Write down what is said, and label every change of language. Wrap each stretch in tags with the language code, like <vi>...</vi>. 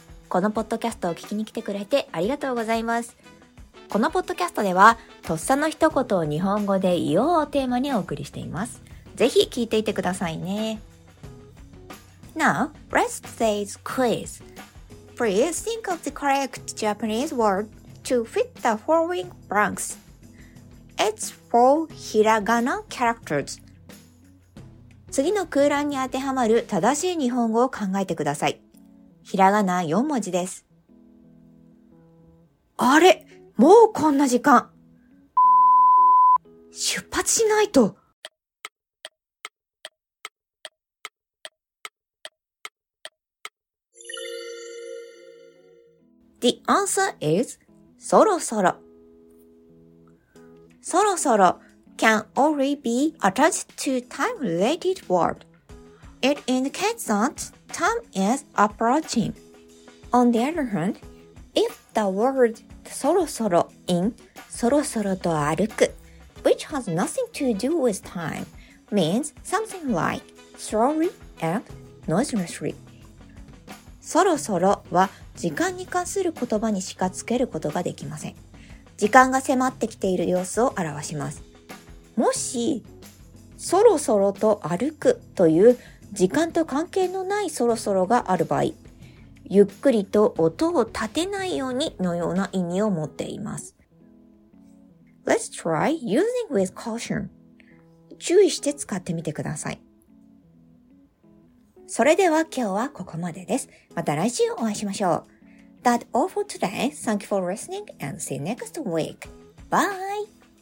<ja>このポッドキャストを聞きに来てくれてありがとうございます。このポッドキャストでは、とっさの一言を日本語で言おうをテーマにお送りしています。ぜひ聞いていてくださいね。</ja> <en>Now, rest today's quiz. Please think of the correct Japanese word to fit the following blanks. It's four hiragana characters.</en> <ja>次の空欄に当てはまる正しい日本語を考えてください。ひらがな4文字です。あれ、もうこんな時間。出発しないと。</ja> <en>The answer is そろそろ。そろそろ can only be attached to time-related word. It indicates that time is approaching. On the other hand, if the word そろそろ in</en> <ja>そろそろと歩く</ja> <en>which has nothing to do with time, means something like slowly and noiselessly.</en> <ja>そろそろは時間に関する言葉にしかつけることができません。時間が迫ってきている様子を表します。もし、そろそろと歩くという時間と関係のないそろそろがある場合、ゆっくりと音を立てないようにのような意味を持っています。</ja> <en>Let's try using with caution.</en> <ja>注意して使ってみてください。それでは今日はここまでです。また来週お会いしましょう。</ja> <en>That's all for today. Thank you for listening and see you next week. Bye!</en>